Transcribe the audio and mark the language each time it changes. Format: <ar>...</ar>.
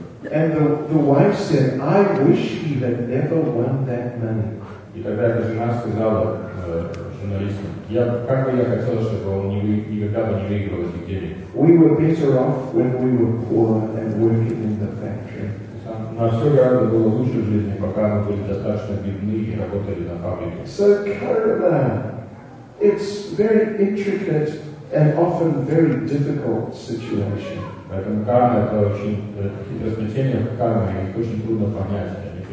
<en>And the wife said, I wish he had never won that money.</en> <ru>И тогда эта жена сказала журналисту, как бы я хотела, чтобы он никогда бы не выиграл эти деньги.</ru> <en>We were better off when we were poor and working in the factory.</en> <ru>На все гораздо было лучше в жизни, пока мы были достаточно бедны и работали на фабрике.</ru> <en>So karma, it's very intricate and often very difficult situation.</en> <ru>Поэтому карма это очень хитростное течение, карма и очень трудно понять.</ru>